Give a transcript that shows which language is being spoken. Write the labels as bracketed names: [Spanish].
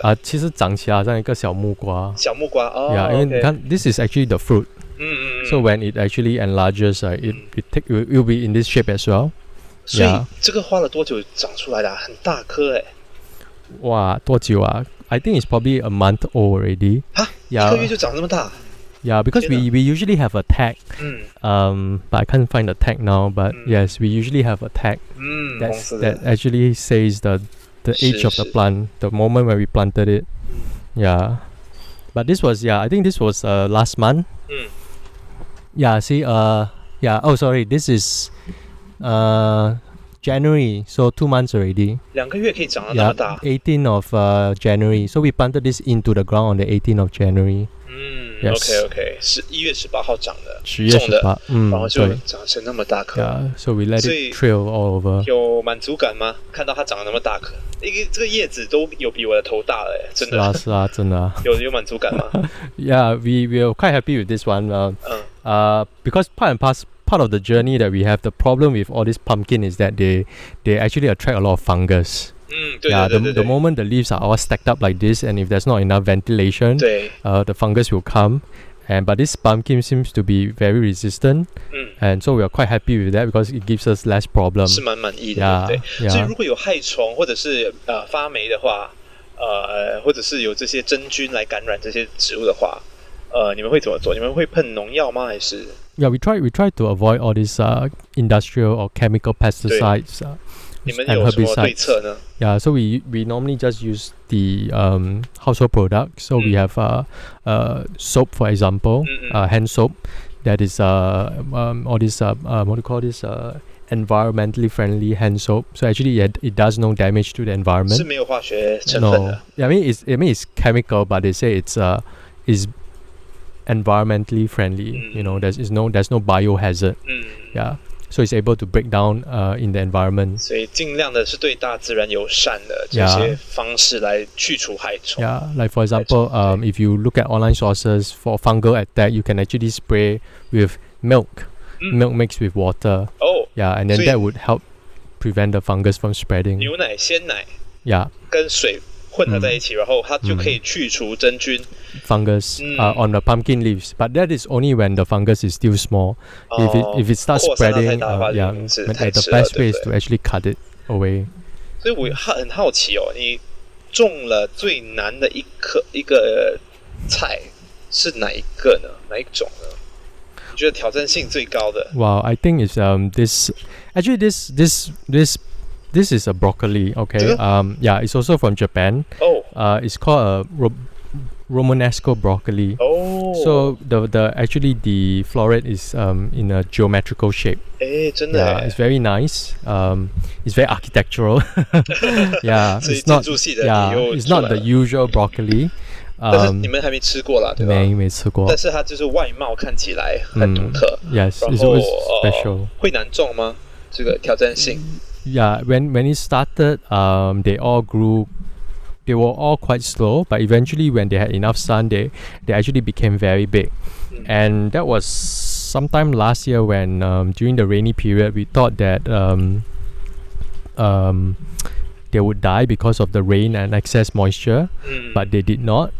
[Chinese] 啊，其实长起来像一个小木瓜，小木瓜哦。 [English] Yeah, okay. [Chinese] 因为你看 [English] ，this is actually the fruit. So when it actually enlarges, it will be in this shape as well. [Chinese] 所以这个花了多久长出来的、啊？很大颗哎。哇，多久啊 [English] ？I think it's probably a month old already. 哈、 yeah. [Chinese] 一个月就长这么大。 [English] Yeah, because we usually have a tag. But I can't find the tag now. But yes, we usually have a tag. That actually says the age of the plant, the moment when we planted it. But this was, I think this was last month. This is January, so 2 months already. [Chinese] 2个月可以长得那么大。 [English] 18th of January, so we planted this into the ground on the 18th of January. Okay, okay. [Chinese] 11月18号长的。 10月18, 然后就长成那么大颗。 [English] So we let it trail all over. [Chinese] 有满足感吗？看到它长得那么大颗。这个叶子都有比我的头大了耶，真的。是啊，是啊，真的、啊。有满足感吗 [English] ？Yeah, we are quite happy with this one. Because part of the journey that we have, the problem with all this pumpkin is that they actually attract a lot of fungus. [Chinese] 对。 [English] Yeah, the moment the leaves are all stacked up like this, and if there's not enough ventilation, the fungus will come. But this pumpkin seems to be very resistant. And so we are quite happy with that because it gives us less problem. [Chinese] 是蛮满意的。 [English] Yeah, [Chinese] 对。所以如果有害虫或者是发霉的话，或者是有这些真菌来感染这些植物的话，你们会怎么做？你们会喷农药吗？还是 [English] ？Yeah, we try to avoid all these industrial or chemical pesticides. [Chinese] 你们有什么对策呢 [English] ？Yeah, so we normally just use the household products. So we have soap, for example, hand soap. That is all these what do you call this environmentally friendly hand soap. So actually, it does no damage to the environment. [Chinese] 是没有化学成分的。 [English] No, yeah, I mean it's chemical, but they say it's environmentally friendly. You know, there's no biohazard. Yeah. So it's able to break down in the environment. [Chinese] 所以尽量的是对大自然友善的这些方式来去除害虫。 [English] Yeah, like for example, if you look at online sources for fungal attack, you can actually spray with milk, milk mixed with water. Oh, yeah, and then that would help prevent the fungus from spreading. [Chinese] 牛奶、鲜奶 [English] ，Yeah, [Chinese] 跟水混合在一起，然后它就可以去除真菌 [English] fungus on the pumpkin leaves. But that is only when the fungus is still small. If it starts spreading, the best way is to actually cut it away. [Chinese] 所以我很好奇哦，你种了最难的一个菜是哪一个呢？哪一种呢？你觉得挑战性最高的 [English] ？Well, I think it's this This is a broccoli, okay? Yeah, it's also from Japan. It's called a Romanesco broccoli. Oh. So the floret is in a geometrical shape. Yeah, it's very nice. It's very architectural. Yeah, it's not. Yeah, it's not the usual broccoli. [Chinese] 但是你们还没吃过啦，对吧？没吃过。但是它就是外貌看起来很独特。 [English] Yes, it's always special. [Chinese] 会难种吗？这个挑战性。 [English] Yeah, when it started, they were all quite slow, but eventually when they had enough sun, they actually became very big. And that was sometime last year when during the rainy period, we thought that they would die because of the rain and excess moisture, but they did not.